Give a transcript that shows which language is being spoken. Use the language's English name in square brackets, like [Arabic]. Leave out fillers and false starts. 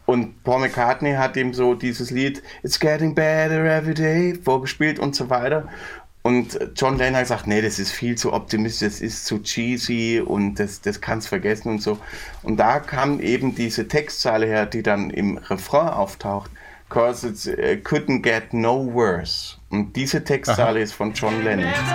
[German] Und Paul McCartney hat ihm so dieses Lied It's Getting Better Every Day vorgespielt und so weiter. Und John Lennon hat gesagt, nee, das ist viel zu optimistisch, das ist zu cheesy und das kannst vergessen und so. Und da kam eben diese Textzeile her, die dann im Refrain auftaucht. [English] Because it couldn't get no worse. [German] Und diese Textzeile ist von John Lennon.